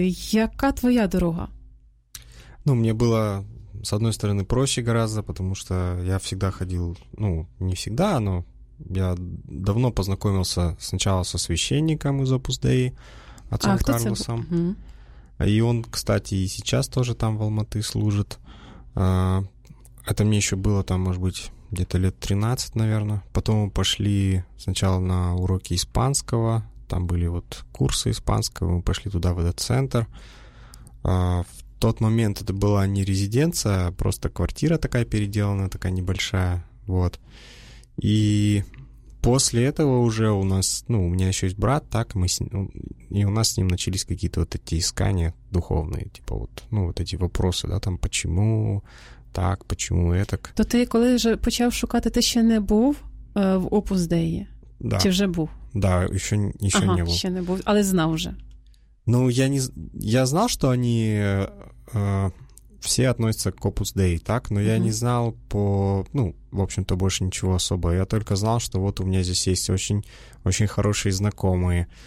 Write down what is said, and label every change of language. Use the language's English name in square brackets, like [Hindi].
[Ukrainian] Яка твоя дорога? Ну, мені було, з одної сторони, [Russian] проще гораздо, [Ukrainian] тому що я завжди ходив... Ну, не завжди, але я давно познайомився спочатку зі священником із Opus Dei, отцом Карлосом. [Russian] И он, кстати, и сейчас тоже там в Алматы служит. Это мне еще было там, может быть, где-то лет 13, наверное. Потом мы пошли сначала на уроки испанского. Там были вот курсы испанского. Мы пошли туда, в этот центр. В тот момент это была не резиденция, а просто квартира такая переделанная, такая небольшая. Вот. И после этого уже у нас, ну, у меня еще есть брат, так, и у нас с ним начались какие-то вот эти искания духовные, типа вот, ну, вот эти вопросы, да, там, почему так, почему этак. То ты, когда же [Ukrainian] почав шукати, [Russian] ты еще не был в Opus Dei? Да. [Ukrainian] Чи вже був? [Russian] Да, еще ага, не был. [Ukrainian] Ага, еще не був, але знав уже. [Russian] Ну, я знал, что они все относятся к Opus Dei, так, но я не знал в общем-то, больше ничего особого. Я только знал, что вот у меня здесь есть очень, очень хорошие знакомые.